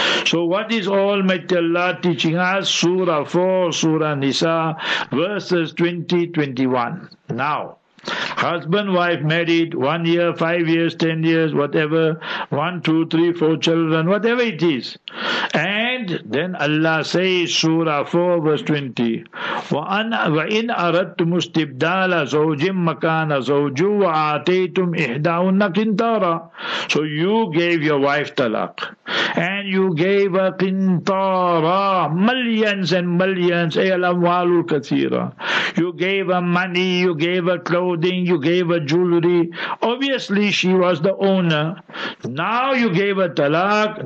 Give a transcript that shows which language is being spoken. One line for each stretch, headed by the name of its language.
English: So what is Almighty Allah teaching us? Surah 4, Surah Nisa, verses 20-21. Now, husband, wife married, 1 year, 5 years, 10 years, whatever, 1, 2, 3, 4 children, whatever it is. And then Allah says, Surah 4, verse 20,
Arabic: وَإِنْ أَرَدْتُمُ اسْتِبْدَالَ زَوْجٍ مَكَانَ زَوْجُ وَآتَيْتُمْ إِحْدَاهُنَّ قِنْطَارًا.
English: So you gave your wife talaq, and you gave her qintara, millions and millions,
Arabic: أَيَلَ أَمْوَالُ كَثِيرًا.
English: You gave her money, you gave her clothing, you gave her jewelry. Obviously, she was the owner. Now you gave her talaq.